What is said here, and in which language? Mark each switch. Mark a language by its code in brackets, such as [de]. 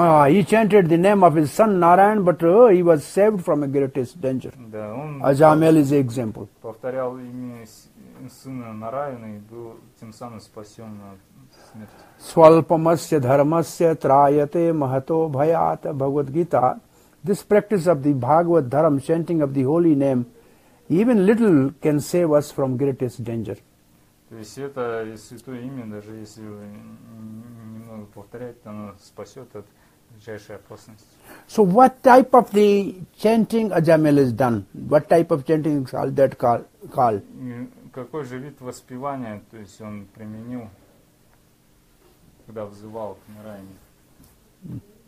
[en] He chanted the name of his son Narayan, but he was saved from a greatest danger. Ajamil is the example. [ru] Повторял имя сына Нараяна и был тем самым спасен от смерти. [sa] Свалпамасья дхармасья траяте махато бхаята Бхагавад-гита. [en] This practice of the Bhagavad Dharam, chanting of the holy name, even little can save us from greatest danger. [ru] То есть это святое имя, даже если немного повторять, оно спасет от величайшей опасности. [en] So what type of the chanting Ajamil is done? What type of chanting is all that call? [ru] Какой же вид воспевания, то есть он применил, когда взывал к Нараяне?